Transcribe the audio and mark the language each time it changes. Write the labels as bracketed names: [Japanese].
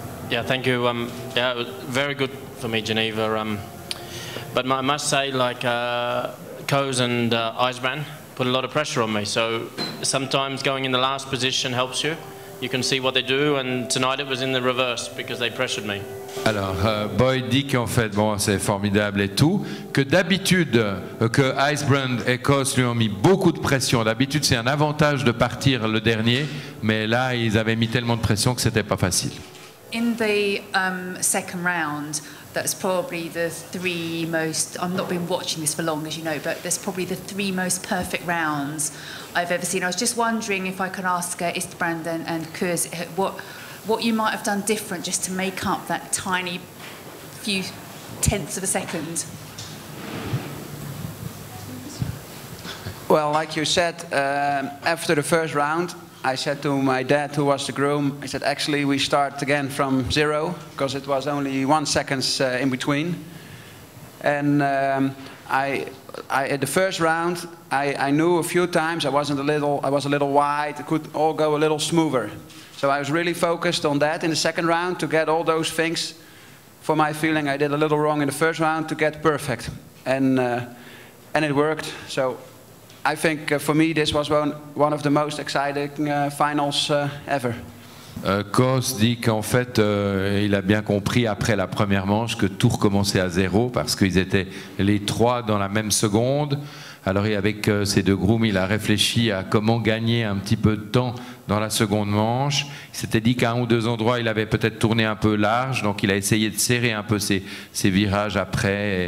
[English] Yeah, thank you. Yeah, very good for me, Geneva. But I must say, like, Coase and Eisbrand put a lot of pressure on me, so sometimes going in the last position helps you. You can see what they do, and tonight it was in the reverse because they pressured me. [French] Alors, Boyd dit qu'en fait, bon, c'est formidable et tout, que d'habitude, que Eisbrand et Coase lui ont mis beaucoup de pression. D'habitude, c'est un avantage de partir le dernier, mais là, ils avaient mis tellement de pression que c'était pas facile. [English] In the second round, that's probably the three most, I've not been watching this for long, as you know, but there's probably the three most perfect rounds I've ever seen. I was just wondering if I could ask Eisbrand and Coase what you might have done different just to make up that tiny few tenths of a second. Well, like you said, after the first round, I said to my dad, who was the groom, I said, actually, we start again from zero, because it was only 1 second in between. And the first round, I knew a few times I was a little wide, it could all go a little smoother. So I was really focused on that in the second round to get all those things. For my feeling, I did a little wrong in the first round to get perfect. And it worked. So I think for me, this was one of the most exciting finals ever. [French] Coase dit qu'en fait, il a bien compris après la première manche que tout recommençait à zéro parce qu'ils étaient les trois dans la même seconde. Alors avec ces deux grooms, il a réfléchi à comment gagner un petit peu de temps dans la seconde manche. Il s'était dit qu'à un ou deux endroits, il avait peut-être tourné un peu large, donc il a essayé de serrer un peu ses virages après.